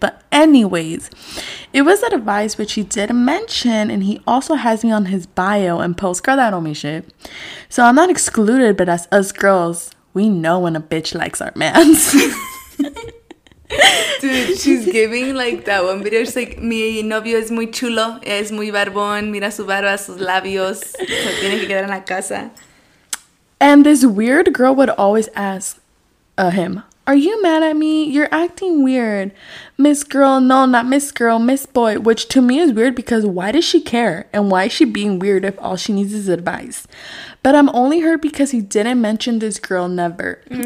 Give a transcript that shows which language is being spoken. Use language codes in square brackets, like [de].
[en] But anyways, it was that advice which he did mention, and he also has me on his bio and post. Girl, that don't mean shit. So I'm not excluded, but as us girls, we know when a bitch likes our mans. Dude, she's giving like that one video. She's like, [es] mi novio es muy chulo, es muy barbón, mira su barba, sus labios, se tiene que quedar en la casa. [en] And this weird girl would always ask him, are you mad at me? You're acting weird. Miss girl, no, not miss girl, miss boy, which to me is weird because why does she care? And why is she being weird if all she needs is advice? But I'm only hurt because he didn't mention this girl never. Mm-hmm.